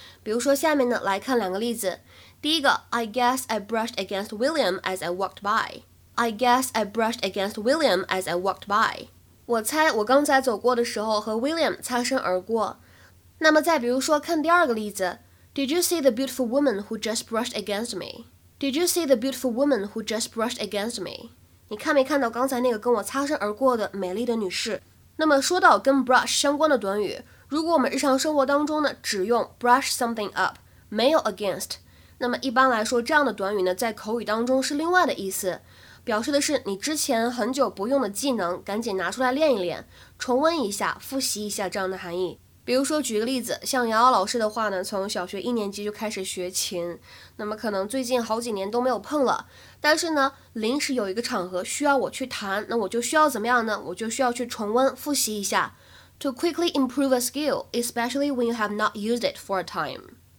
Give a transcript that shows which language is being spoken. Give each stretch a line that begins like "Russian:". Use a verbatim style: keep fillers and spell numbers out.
Chinese: 比如说下面呢来看两个例子。第一个
English: I guess I brushed against William as I walked by. I guess I brushed against William as I walked by.
Chinese: 我猜我刚才走过的时候和 William 擦身而过。那么再比如说看第二个例子。
English: Did you see the beautiful woman who just brushed against me? Did you see the beautiful woman who just brushed against me?
Chinese: 你看没看到刚才那个跟我擦身而过的美丽的女士？那么说到跟 brush 相关的短语，如果我们日常生活当中呢只用
English: brush something up，
Chinese: 没有 against， 那么一般来说这样的短语呢在口语当中是另外的意思，表示的是你之前很久不用的技能，赶紧拿出来练一练，重温一下，复习一下这样的含义。比如说举个例子，像瑶瑶老师的话呢，从小学一年级就开始学琴，那么可能最近好几年都没有碰了，但是呢临时有一个场合需要我去弹，那我就需要怎么样呢？我就需要去重温复习一下
English: To quickly improve a skill, especially when you have not used it for a time.